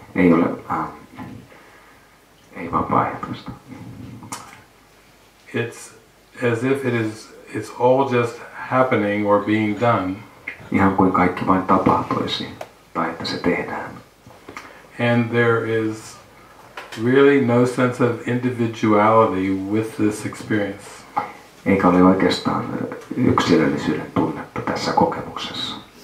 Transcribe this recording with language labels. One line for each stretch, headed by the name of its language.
Finnish: Ei ole ei vapaaehtoista.
English: It's as if it's all just happening or being done.
Finnish: Ihan kuin kaikki vain tapahtuisi, tai että se tehdään.
English: And there is really no sense of individuality with this experience.
Finnish: Eikä ole oikeastaan yksilöllisyyden tunnetta tässä kokemuksessa.